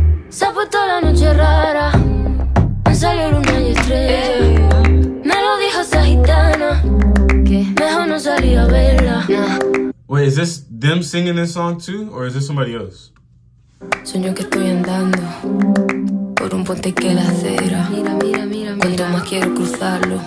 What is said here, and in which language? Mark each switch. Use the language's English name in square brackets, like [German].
[Spanish] Se ha puesto la noche rara. Me salió luna y estrella. Me lo dijo esa gitana. Que mejor no salir a verla. [English] Wait, is this them singing this song too? Or is this somebody else? [Spanish] Sueño que estoy andando. Por un puente que la acera. Mira, mira, mira, mira. Cuanto más quiero cruzarlo.